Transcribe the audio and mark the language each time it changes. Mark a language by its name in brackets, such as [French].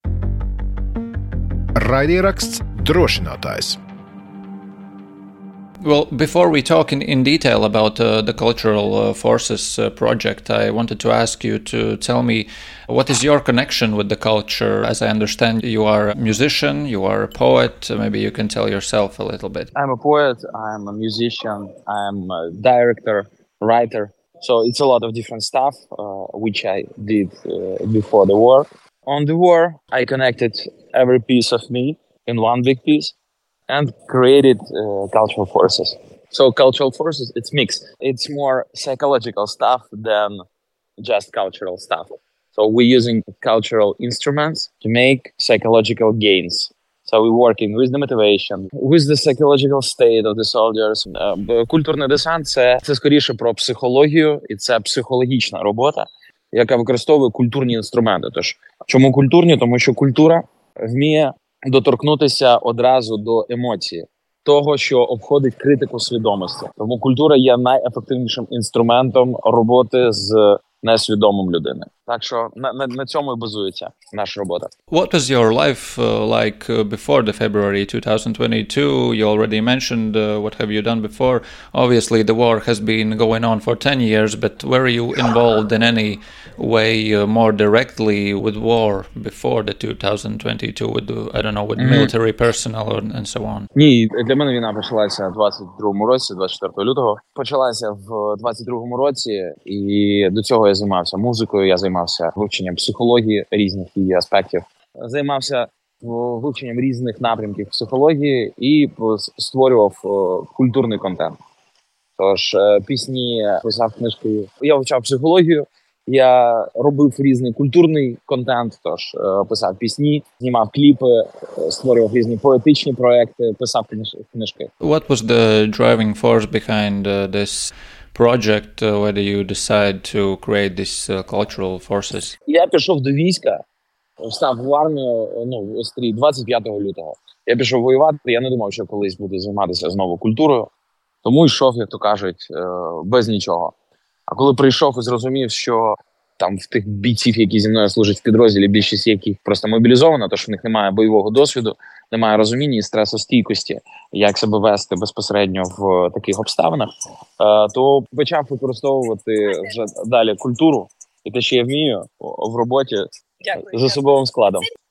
[English] Raidieraksts drošinātājs. Well, before we talk in detail about the Cultural Forces project, I wanted to ask you to tell me what is your connection with the culture. As I understand, you are a musician, you are a poet. Maybe you can tell yourself a little bit. I'm a poet, I'm a musician, I'm a director, writer. So it's a lot of different stuff, which I did before the war. On the war, I connected every piece of me in one big piece and created Cultural Forces. So Cultural Forces, it's mixed. It's more psychological stuff than just cultural stuff. So we're using cultural instruments to make psychological gains. So we're working with the motivation, with the psychological state of the soldiers. [Ukrainian] Культурний десант – це скоріше про психологію, і це психологічна робота, яка використовує культурні інструменти. Тож, чому культурні? Тому що культура вміє доторкнутися одразу до емоції, того, що обходить критику свідомості. Тому культура є найефективнішим інструментом роботи з несвідомим людини. Так що на цьому і базується наша робота. [English] What was your life like before the February 2022? You already mentioned what have you done before. Obviously, the war has been going on for 10 years, but were you involved in any way more directly with war before the 2022 with, I don't know, with military personnel and so on? [Ukrainian] Ні, для мене війна почалася в 22-му році, 24 лютого. Почалася в 22-му році, і до цього я займався музикою, я займався вивченням психології різних її аспектів. Займався вивченням різних напрямків психології і створював культурний контент. Тож, пісні, писав книжки. Я вивчав психологію, я робив різний культурний контент, тож, писав пісні, знімав кліпи, створював різні поетичні проекти, писав книжки. [English] What was the driving force behind this project, whether you decide to create this cultural forces? [Ukrainian] Я пішов до війська, став в армію, ну, острій, 25 лютого. Я пішов воювати, я не думав, що колись буду займатися знову культурою, тому йшов, як то кажуть, без нічого. А коли прийшов і зрозумів, що там в тих бійців, які зі мною служать в підрозділі, більшість яких просто мобілізовано, тож в них немає бойового досвіду, немає розуміння і стресостійкості, як себе вести безпосередньо в таких обставинах, то почав використовувати вже далі культуру і те, що я вмію в роботі з особовим складом.